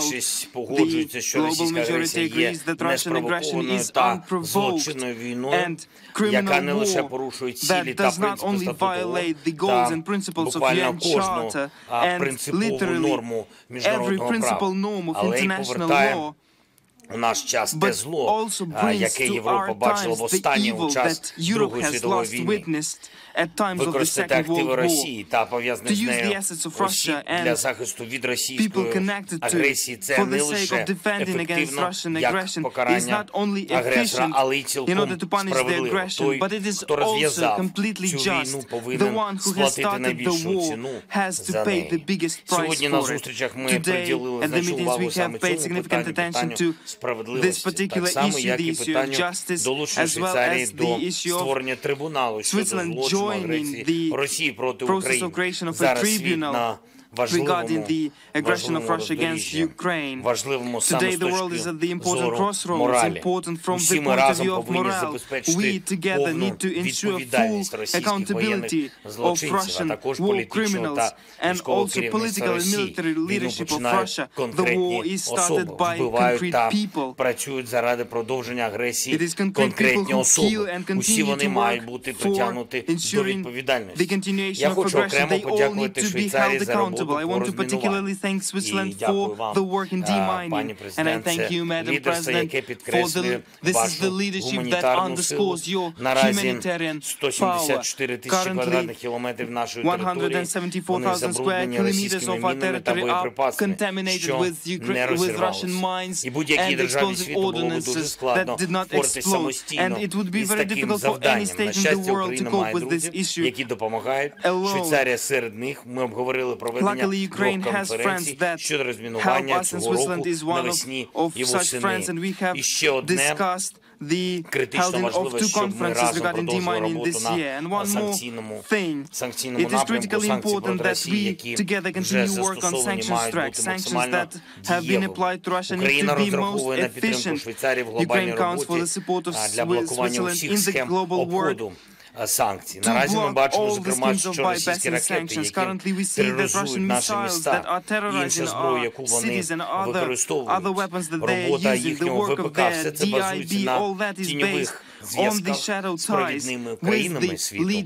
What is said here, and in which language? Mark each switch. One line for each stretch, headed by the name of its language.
English: The global majority agrees that Russian aggression is unprovoked and criminal war that does not only violate the goals and principles of UN Charter and literally every principle norm of international law,
Ukrainian: у наш час те зло, яке Європа бачила в останній час Другої світової війни, використати активи Росії та пов'язаних з нею осіб для захисту від російської агресії – це не лише ефективно, як покарання агресора, але й цілком справедливо. Той, хто розв'язав цю війну, повинен сплатити найбільшу ціну за неї. Сьогодні на зустрічах ми приділили значну увагу саме цьому питанню
English: this particular issue, the issue of justice, as well as the issue of Switzerland joining the process of creation of a tribunal regarding the aggression of Russia against Ukraine. Today the world is at the important crossroads, important from the point of view of morale. We together need to ensure full accountability of Russian war criminals and also political and military leadership of Russia. The war is started by concrete people.
Ukrainian: Працюють заради продовження агресії конкретні особи. Усі вони мають бути притягнуті до відповідальності. Я хочу окремо подякувати Швейцарії за роботу по розмінуванню. І дякую вам, пані президенте, лідерство, яке підкреслює вашу гуманітарну силу. Наразі 174 тисячі квадратних кілометрів нашої території, вони забруднені російськими мінами та боєприпасами, що не розірвалися. І будь-які державі світу було би дуже складно впоратися самостійно із таким завданням. На щастя, Україна має друзі, які допомагають. Швейцарія серед них. Ми обговорили проведення двох конференцій щодо розмінування цього року навесні і восени. І ще одне
English: the holding of two conferences regarding demining this year. And one more thing, it is critically important that we together continue work on sanctions track, sanctions that have been applied to Russia need to be most efficient. Ukraine counts for the support of Switzerland in the global work.
Ukrainian: Санкції. Наразі ми бачимо, зокрема, що російські ракети, які тероризують наші міста, інша зброя, яку вони використовують, робота їхнього ВПК, все це базується на тіньових зв'язках з провідними країнами світу.